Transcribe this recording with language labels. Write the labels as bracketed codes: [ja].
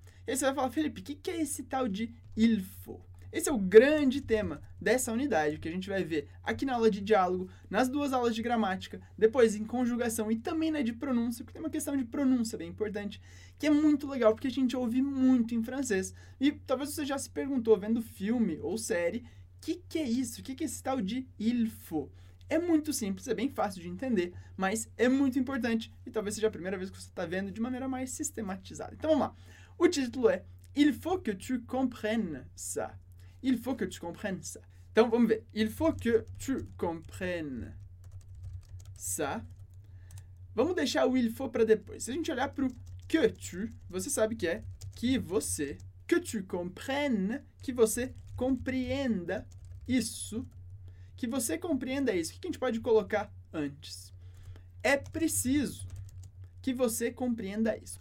[pt] E aí você vai falar, Felipe, o que, que é esse tal de [fr] il faut? [pt] Esse é o grande tema dessa unidade, que a gente vai ver aqui na aula de diálogo, nas duas aulas de gramática, depois em conjugação e também na de pronúncia, porque tem uma questão de pronúncia bem importante, que é muito legal, porque a gente ouve muito em francês. E talvez você já se perguntou, vendo filme ou série, que é isso? Que é esse tal de [fr] il faut? [pt] É muito simples, é bem fácil de entender, mas é muito importante e talvez seja a primeira vez que você está vendo de maneira mais sistematizada. Então vamos lá. O título é [fr] Il faut que tu comprennes ça. Il faut que tu comprennes ça. [pt] Então, vamos ver. [fr] Il faut que tu comprennes ça. [pt] Vamos deixar o [fr] il faut [pt] para depois. Se a gente olhar para o que tu, você sabe que é que você. [fr] Que tu comprennes, [pt] que você compreenda isso. Que você compreenda isso. O que a gente pode colocar antes? É preciso que você compreenda isso.